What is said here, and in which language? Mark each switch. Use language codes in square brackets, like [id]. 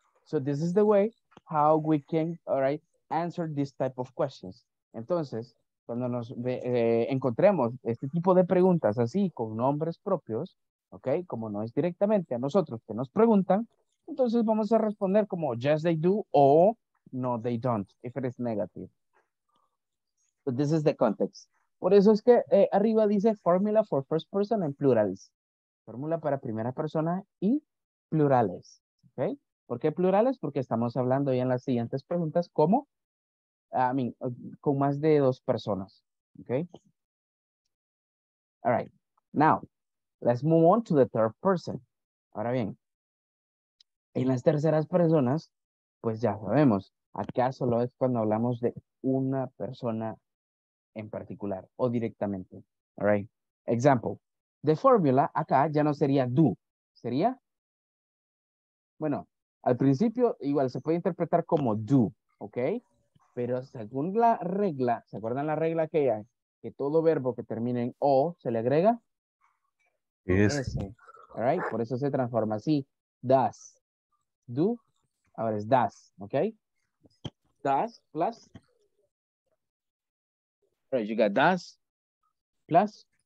[en] So this is the way how we can, all right, answer this type of questions. [es] Entonces, cuando nos encontremos este tipo de preguntas así, con nombres propios, ¿ok? Como no es directamente a nosotros que nos preguntan, entonces vamos a responder como [en] yes, they do, [es] o No, [en] they don't, if it is negative. But this is the context. [es] Por eso es que arriba dice [en] formula for first person and plurals. [es] Fórmula para primera persona y plurales. Okay? ¿Por qué plurales? Porque estamos hablando ya en las siguientes preguntas como, con más de dos personas. [en] Okay? All right. Now, let's move on to the third person. [es] Ahora bien, en las terceras personas, pues ya sabemos, acá solo es cuando hablamos de una persona en particular o directamente. [en] All right. Example. The formula [es] acá ya no sería do, sería, bueno, al principio igual se puede interpretar como do, ¿ok? Pero según la regla, ¿se acuerdan la regla que hay? Que todo verbo que termine en o se le agrega. [en] Yes. All right? [es] Por eso se transforma así, does, do, ahora es does, ¿ok? [en] Does plus, all right, you got does plus.